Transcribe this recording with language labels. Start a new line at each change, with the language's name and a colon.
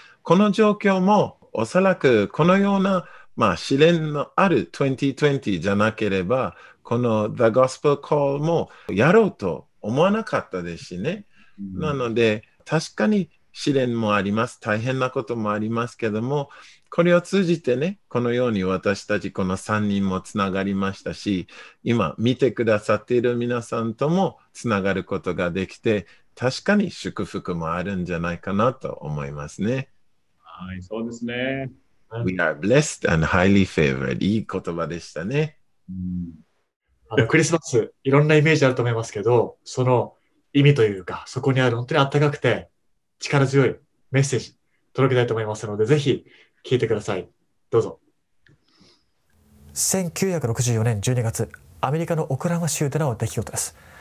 Japanese: この状況もおそらくこのような、まあ、試練のある2020じゃなければ、この The Gospel Call もやろうと思わなかったですしね、うん、なので確かに試練もあります、大変なこともありますけども、これを通じてね、このように私たちこの3人もつながりましたし、今見てくださっている皆さんともつながることができて、確かに祝福もあるんじゃないかなと思いますね。はい、そうですね。
English: We are blessed and highly favored。
Japanese: いい言葉でしたね。うん、クリスマスいろんなイメージあると思いますけど、その意味というかそこにある本当にあったかくて力強いメッセージ届けたいと思いますので、ぜひ聞いてください。どうぞ。 1964年12月アメリカのオクラホマ州での出来事です。